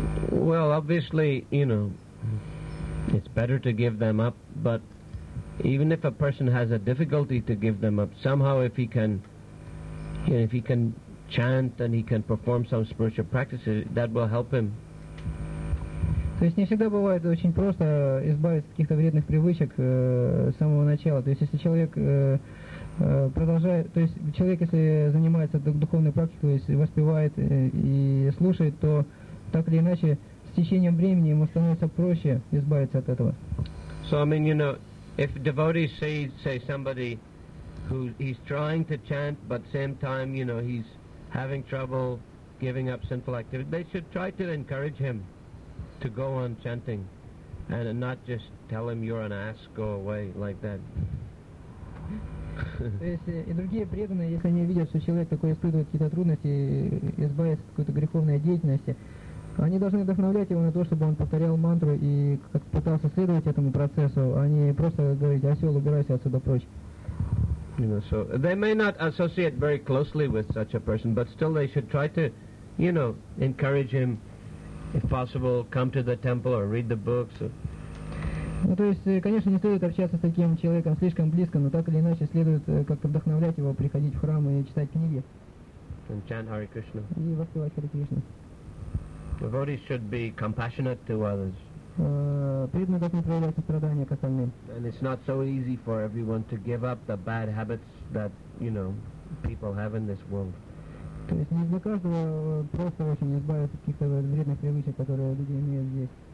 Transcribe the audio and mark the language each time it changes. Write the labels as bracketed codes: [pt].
[en] Well, obviously, you know, it's better to give them up, but even if a person has a difficulty to give them up, somehow if he can, you know, if he can chant and he can perform some spiritual practices, that will help him. [ru] То есть не всегда бывает очень просто избавиться от каких-то вредных привычек с самого начала. То есть если человек продолжает, то есть человек, если занимается духовной практикой, то есть воспевает и слушает, то так или иначе с течением времени ему становится проще избавиться от этого. [en] So I mean, you know, if devotees say somebody who he's trying to chant but same time, you know, he's having trouble giving up sinful activity, they should try to encourage him to go on chanting and not just tell him you're an ass, go away like that. [ru] То есть и другие преданные, если они видят, что человек такой испытывает какие-то трудности, избавиться от какой-то греховной деятельности, они должны вдохновлять его на то, чтобы он повторял мантру и как пытался следовать этому процессу, а не просто говорить: осел, убирайся отсюда прочь. [en] You know, so they may not associate very closely with such a person, but still they should try to, you know, encourage him, if possible, come to the temple or read the books. [ru] Ну, то есть, конечно, не стоит общаться с таким человеком слишком близко, но так или иначе следует как-то вдохновлять его приходить в храм и читать книги. [en] And chant Hare Krishna. [ru] И воспевать Hare Krishna. [en] Devotees should be compassionate to others. [ru] Преданные должны проявлять сострадание к остальным. [en] And it's not so easy for everyone to give up the bad habits that, you know, people have in this world. [ru] То есть не для каждого просто очень избавиться от каких-то вредных привычек, которые люди имеют здесь.